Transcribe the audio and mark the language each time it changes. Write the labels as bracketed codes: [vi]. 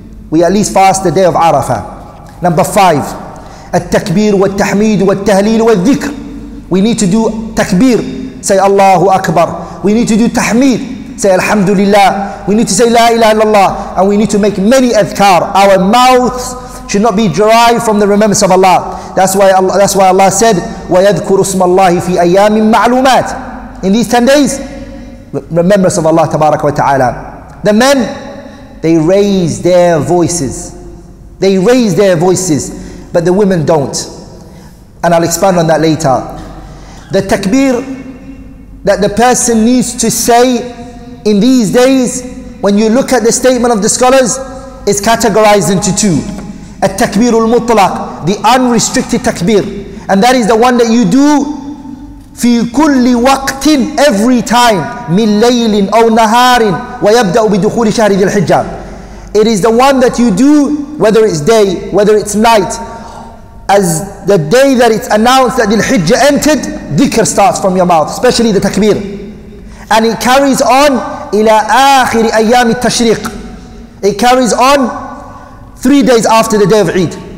[en] We at least fast the day of Arafah. Number 5, At-Takbir wa-Tahmid wa-Tahleel wa-Dhikr. We need to do Takbir, say Allahu Akbar. We need to do Tahmid, say Alhamdulillah. We need to say La ilaha illallah. And we need to make many adhkar. Our mouths should not be dry from the remembrance of Allah. That's why Allah said, [ar] وَيَذْكُرُ اسْمَ اللَّهِ فِي أَيَّامٍ مَعْلُومَاتٍ. [en] In these 10 days, remembrance of Allah tabarak wa ta'ala. The men, they raise their voices. They raise their voices, but the women don't. And I'll expand on that later. The takbir that the person needs to say in these days, when you look at the statement of the scholars, is categorized into two. At-takbir al-mutlaq, the unrestricted takbir. And that is the one that you do [ar] في كل وقت, [en] every time, [ar] من ليل أو نهار, ويبدأ بدخول شهر ذي الحجة. [en] It is the one that you do, whether it's day, whether it's night, as the day that it's announced that ذي الحجة entered, dhikr starts from your mouth, especially the takbir. And it carries on [ar] إلى آخر أيام التشريق. [en] It carries on 3 days after the day of Eid.